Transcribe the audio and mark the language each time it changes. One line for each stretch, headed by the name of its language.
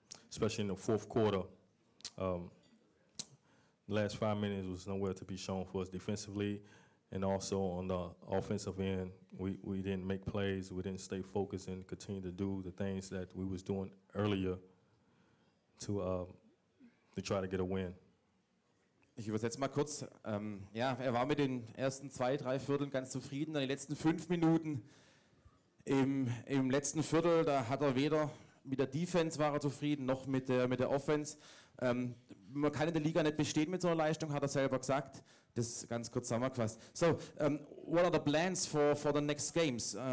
English: Especially in the fourth quarter, the last 5 minutes was nowhere to be shown for us defensively, and also on the offensive end, we didn't make plays, we didn't stay focused and continue to do the things that we was doing earlier to try to get a win.
German: Ich übersetze mal kurz. Ja, er war mit den ersten 2, 3 Vierteln ganz zufrieden, dann die letzten 5 Minuten. Im letzten Viertel, da hat er weder mit der Defense war er zufrieden, noch mit der Offense. Man kann in der Liga nicht bestehen mit so einer Leistung, hat er selber gesagt. Das ganz kurz zusammengefasst.
English: So, what are the plans for the next games?